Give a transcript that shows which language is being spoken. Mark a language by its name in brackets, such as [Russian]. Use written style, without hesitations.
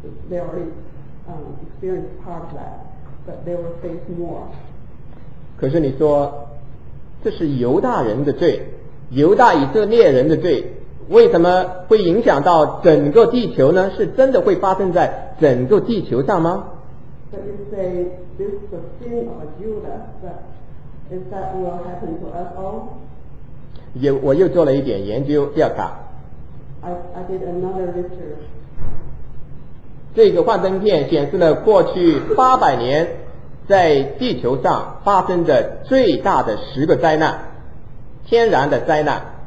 [English] They already experienced part of that, but they will face more. [Chinese] 可是你说，这是犹大人的罪，犹大以色列人的罪，为什么会影响到整个地球呢？是真的会发生在整个地球上吗？ [English] But you say this is the sin of Judah, but is that will happen to us all? [Chinese] 我又做了一点研究调查。 [English] I did another research. [Chinese] 这个幻灯片显示了过去800年在地球上发生的最大的10个灾难，天然的灾难。